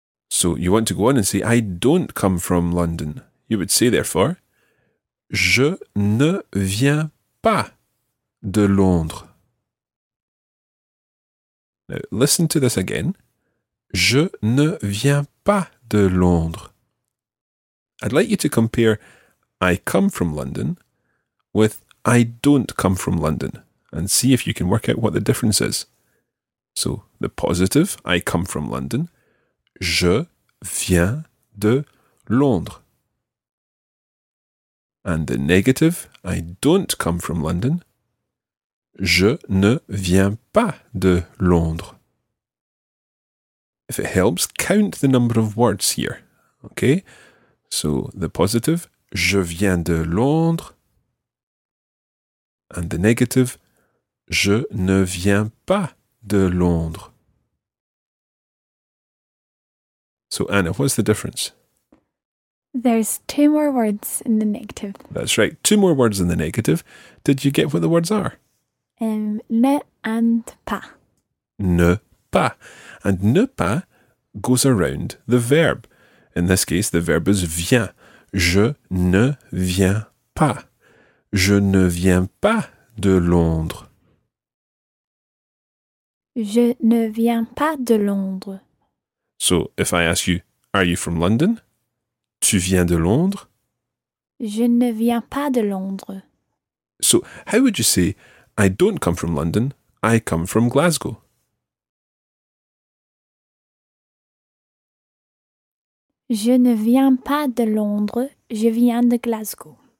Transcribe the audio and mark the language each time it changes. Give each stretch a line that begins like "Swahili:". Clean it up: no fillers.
English: So you want to go on and say, I don't come from London. You would say therefore,
French: je ne viens pas de Londres.
English: Now listen to this again.
French: Je ne viens pas de Londres.
English: I'd like you to compare I come from London with I don't come from London and see if you can work out what the difference is. So the positive, I come from London.
French: Je viens de Londres.
English: And the negative, I don't come from London.
French: Je ne viens pas de Londres.
English: If it helps, count the number of words here, okay? So the positive,
French: je viens de Londres.
English: And the negative,
French: je ne viens pas de Londres.
English: So Anna, what's the difference? There's two more words in the negative. That's right, two more words in the negative. Did you get what the words are?
French: Ne and pas.
English: Ne pas. And ne pas goes around the verb. In this case, the verb is vient.
French: Je ne viens pas. Je ne viens pas de Londres. Je ne viens pas de Londres.
English: So, if I ask you, are you from London?
French: Tu viens de Londres? Je ne viens pas de Londres.
English: So, how would you say, I don't come from London, I come from Glasgow?
French: Je ne viens pas de Londres, je viens de Glasgow.